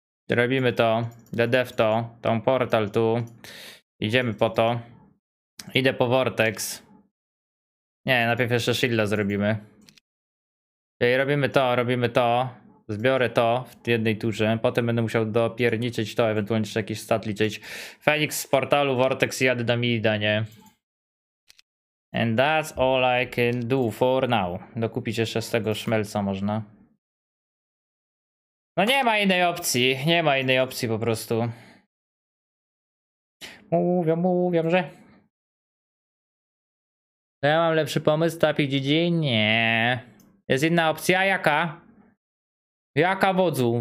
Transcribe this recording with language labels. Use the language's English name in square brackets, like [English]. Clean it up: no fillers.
[Polish] Robimy to. Dedef to. Tą portal tu. Idziemy po to. Idę po Vortex. Nie, najpierw jeszcze Shilla zrobimy. Czyli robimy to, robimy to. Zbiorę to w jednej turze. Potem będę musiał dopierniczyć to, ewentualnie jeszcze jakiś stat liczyć. Phoenix z portalu, Vortex i jadę do Mida, nie? [English] And that's all I can do for now. [Polish] Dokupić jeszcze z tego szmelca można. No nie ma innej opcji. Nie ma innej opcji po prostu. Mówią, mówią, że... To ja mam lepszy pomysł, tapi GG? Nie. Jest inna opcja, jaka? Jaka wodzu?